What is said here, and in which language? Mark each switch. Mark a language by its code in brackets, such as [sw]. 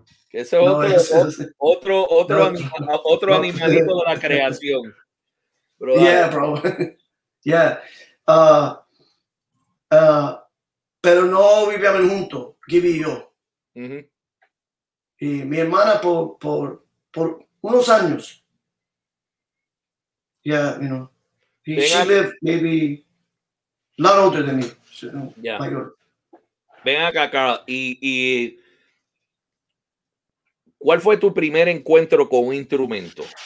[es] Que ese es otro animalito de la creación. [en] Bro. Yeah, bro. Yeah. [es] Pero no vivíamos juntos, Gibby y yo. Mm-hmm. Y mi hermana por unos años. [en] Yeah, you know. She lived maybe a lot older than me. [es] Ven acá, Carl. Y ¿cuál fue tu primer encuentro con un instrumento?